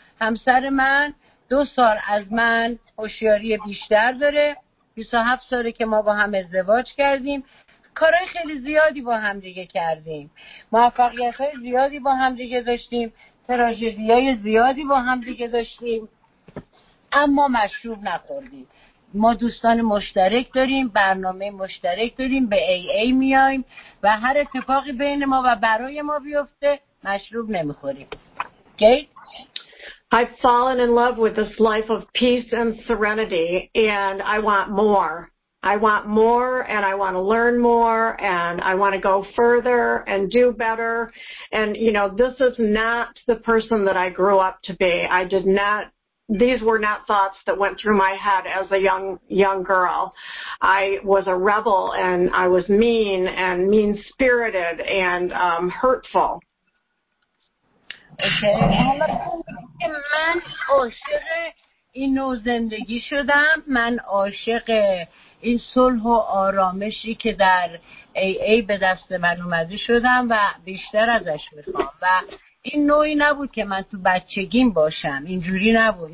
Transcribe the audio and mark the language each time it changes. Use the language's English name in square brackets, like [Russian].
[Persian] همسر من 2 سال از من هوشیاری بیشتر داره، 27 ساله که ما با هم ازدواج کردیم، کارهای خیلی زیادی با هم دیگه کردیم، موفقیت های زیادی با هم دیگه داشتیم، تراژدی های زیادی با هم دیگه داشتیم، اما مشروب نخوردیم. ما دوستان مشترک داریم، برنامه مشترک داریم، به AA میایم و هر اتفاقی بین ما و برای ما بیفته مشروب نمیخوریم. [English] Okay? I've fallen in love with this life of peace and serenity and I want more. I want more and I want to learn more and I want to go further and do better. And you know, this is not the person that I grew up to be. These were not thoughts that went through my head as a young girl. I was a rebel and I was mean and mean-spirited and hurtful. Okay. [Persian] من عاشق این نوع زندگی شدم. من عاشق این صلح و آرامشی که در AA به دست من اومده شدم و بیشتر ازش میخوام. و این نوعی نبود که من تو بچگیم باشم، اینجوری نبود.